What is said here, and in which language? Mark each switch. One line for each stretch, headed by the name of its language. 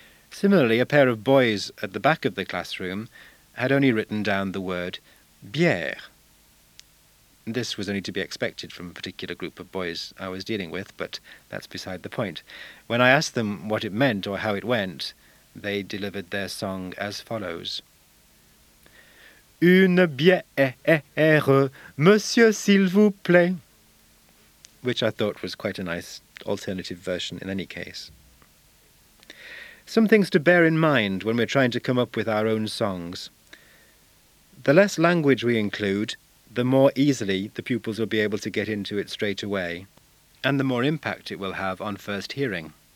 English: Similarly, a pair of boys at the back of the classroom had only written down the word bière. This was only to be expected from a particular group of boys I was dealing with, but that's beside the point. When I asked them what it meant or how it went, they delivered their song as follows.
French: Une bière, monsieur, s'il vous plaît.
English: Which I thought was quite a nice alternative version in any case. Some things to bear in mind when we're trying to come up with our own songs. The less language we include, the more easily the pupils will be able to get into it straight away, and the more impact it will have on first hearing.